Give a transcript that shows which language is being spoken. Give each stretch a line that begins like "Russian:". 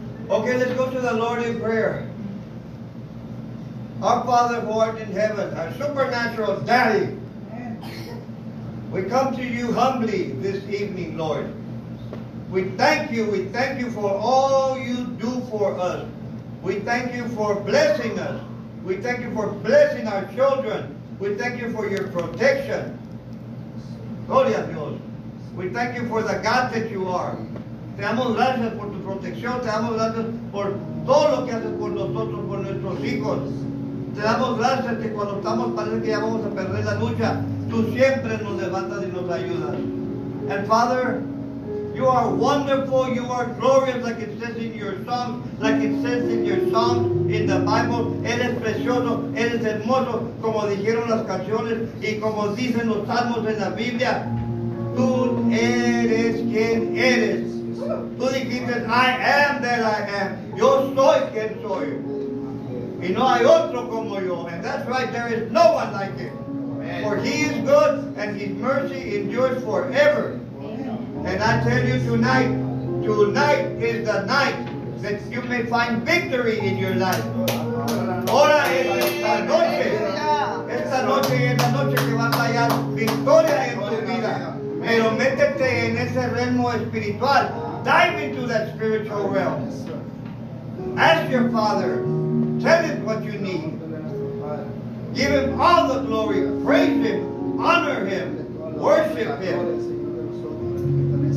English: Okay, let's go to the Lord in prayer. Our Father who art in heaven, our supernatural daddy, we come to you humbly this evening, Lord. We thank you. We thank you for all you do for us. We thank you for blessing us. We thank you for blessing our children. We thank you for your protection.
Spanish: Gloria a Dios.
English: We thank you for the God that you are.
Spanish: Te damos gracias por tu protección. Te damos gracias por todo lo que haces por nosotros, por nuestros hijos. Te damos gracias que cuando estamos parece que ya vamos a perder la lucha, tú siempre nos levantas y nos ayudas.
English: And Father, you are wonderful, you are glorious, like it says in your song, like it says in your song in the Bible.
Spanish: Eres precioso, eres hermoso, como dijeron las canciones y como dicen los salmos en la Biblia. Tú eres quien eres. Tú dijiste,
English: I am that I am.
Spanish: Yo soy quien soy. Y no hay otro como yo.
English: And that's right, there is no one like him. For he is good and his mercy endures forever. And I tell you tonight is the night that you may find victory in your life.
Spanish: Ahora es esta noche es la noche que vas a hallar victoria en tu vida. Pero métete en ese reino espiritual.
English: Dive into that spiritual realm. Ask your Father. Tell him what you need. Give him all the glory. Praise him. Honor him. Worship him.